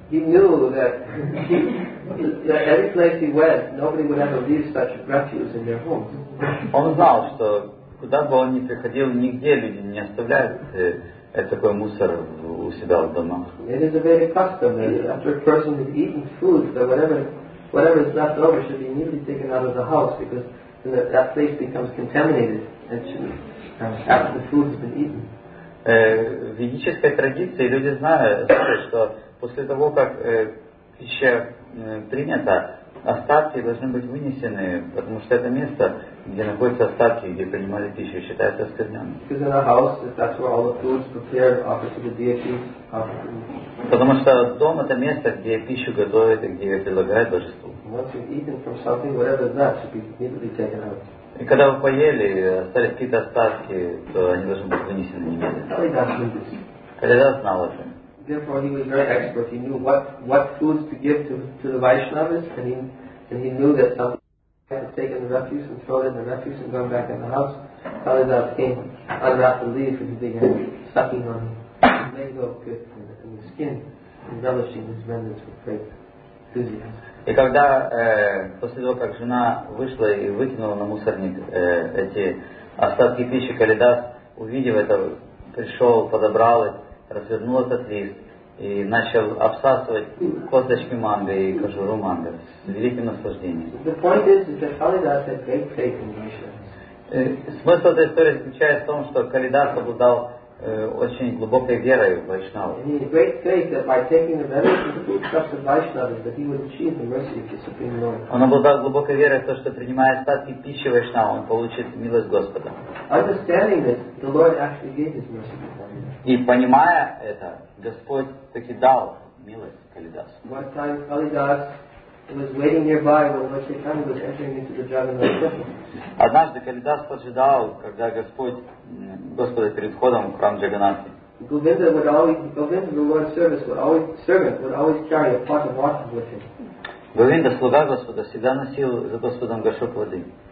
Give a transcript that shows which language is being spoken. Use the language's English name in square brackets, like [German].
[English] He knew that every place he went, nobody would ever leave such refuse in their homes. [Russian] Он знал, что куда бы он ни приходил, нигде люди не оставляют такой мусор у себя в домах. [English] It is a very custom that after a person has eaten food, that whatever is left over should be immediately taken out of the house because then that place becomes contaminated and should after the food has been eaten. [Russian] В ведической традиции люди знают, что после того, как пища принята, остатки должны быть вынесены, потому что это место, где находятся остатки, где принимали пищу, считается оскверненным. [English] Because in a house, if that's where all the food is prepared, offered to the deity, [Russian] потому что дом — это место, где пищу готовят и где предлагают божеству. [English] Once you've eaten from something, whatever is left, should be immediately taken out. [Russian] И когда вы поели, остались какие-то остатки, то они должны быть вынесены немедленно. Калидас знал это. [English] Therefore, he was very expert. He knew what foods to give to the Vaishnavas, and he knew that something had taken the refuse and thrown in the refuse and gone back in the house. Kalidas came, unwrapped the leaf, and he began sucking on the mango pit and the skin, and relishing his remnants with great enthusiasm. [Russian] И когда после того, как жена вышла и выкинула на мусорник эти остатки пищи, Калидас, увидев это, пришел, подобрал их, развернул этот лист и начал обсасывать косточки манго и кожуру манго с великим наслаждением. [English] The point is that Kalidas had great faith in Vaishnavas. [Russian] Смысл этой истории заключается в том, что Калидас обладал очень глубокой верой в Вайшнаву. [English] He had great faith that by taking the remnants of the foodstuffs of Vaishnavas that he would achieve the mercy of the Supreme Lord. [Russian] Он обладал глубокой верой в то, что принимая остатки пищи Вайшнава, он получит милость Господа. [English] Understanding this, the Lord actually gave his mercy to him. [Russian] И понимая это, Господь таки дал милость Калидасу. [English] One time Kalidas was waiting nearby when Lord Chaitanya was entering into the Jagannath temple. [Russian] Однажды Калидас поджидал, когда Господа перед входом в храм Джаганаты. [English] Govinda, the Lord's servant, would always carry a pot of water with him. [Russian] Говинда, слуга Господа, всегда носил за Господом горшок воды.